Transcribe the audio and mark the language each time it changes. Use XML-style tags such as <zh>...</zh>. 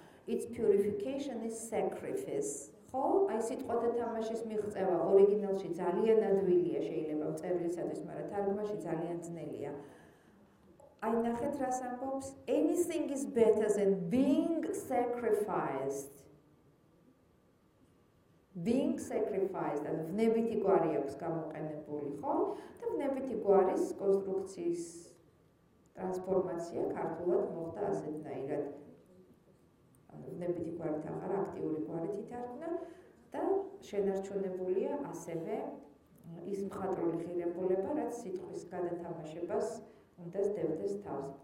<en>It's purification is sacrifice.</en> <ka>ხო, აი სიტყვათა თამაშის მიღწევა ორიგინალში ძალიან ადვილია შეიძლება მწერლისათვის, მაგრამ თარგმანში ძალიან ძნელია. აი ნახეთ რას ამბობს:</ka> <en>anything is better than being sacrificed. Being sacrificed,</en> <ka>ანუ ვნებითი გვარი აქვს გამოყენებული, ხო? და ვნებითი გვარის კონსტრუქციის ტრანსფორმაცია ქართულად მოხდა ასეთნაირად. ანუ ვნებითი გვარით აღარა, აქტიური გვარით ითარგმნა და შენარჩუნებულია ასევე ის მხატვრული ღირებულება, რაც სიტყვის გადათამაშებას უნდა სდევდეს თავს.</ka>